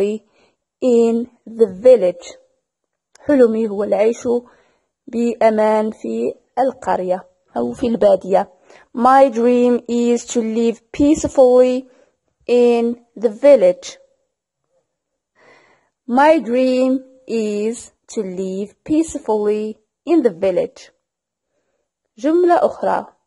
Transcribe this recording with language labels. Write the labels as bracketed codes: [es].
[en] My dream is to live peacefully in the village. [ar] حلمي هو العيش بأمان في القرية أو في البادية. [en] My dream is to live peacefully in the village. My dream is to live peacefully in the village. [ar] جملة أخرى.